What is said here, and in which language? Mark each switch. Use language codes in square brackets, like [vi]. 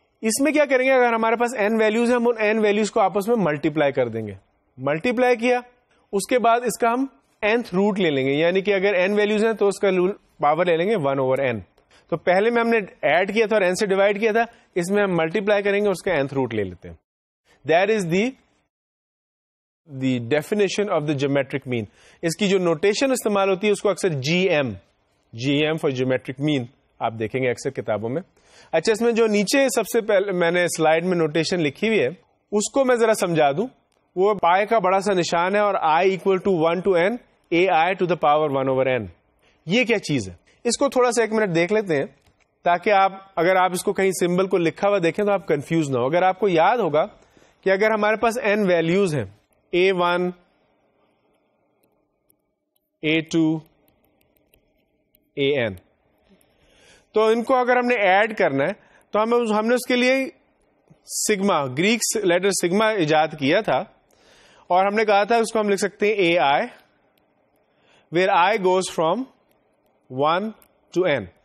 [ur] اس میں کیا کریں گے, اگر ہمارے پاس n ویلیوز ہیں, ہم ان n ویلیوز کو آپس میں ملٹی پلائی کر دیں گے. ملٹی پلائی کیا, اس کے بعد اس کا ہم nth روٹ لے لیں گے, یعنی کہ اگر n ویلیوز ہیں تو اس کا پاور لے لیں گے 1 اوور n. تو پہلے میں ہم نے ایڈ کیا تھا اور n سے ڈیوائڈ کیا تھا, اس میں ہم ملٹی پلائی کریں گے اس کا nth روٹ لے لیتے ہیں. [en] That is the definition of the geometric mean. [ur] اس کی جو نوٹیشن استعمال ہوتی ہے اس کو اکثر GM فار جیومیٹرک مین آپ دیکھیں گے اکثر کتابوں میں. اچھا اس میں جو نیچے سب سے پہلے میں نے سلائیڈ میں نوٹیشن لکھی ہوئی ہے اس کو میں ذرا سمجھا دوں. وہ پائے کا بڑا سا نشان ہے اور [en] i equal to 1 to n a i to the power 1 over n. [ur] یہ کیا چیز ہے, اس کو تھوڑا سا ایک منٹ دیکھ لیتے ہیں تاکہ آپ اگر آپ اس کو کہیں سمبل کو لکھا ہوا دیکھیں تو آپ کنفیوز نہ ہو. اگر آپ کو یاد ہوگا کہ اگر ہمارے پاس n ویلیوز ہیں a1 a2 an, تو ان کو اگر ہم نے ایڈ کرنا ہے تو ہم نے اس کے لیے سگما, گریک لیٹر سگما ایجاد کیا تھا اور ہم نے کہا تھا اس کو ہم لکھ سکتے ہیں ai, [en] where i goes from 1 to n.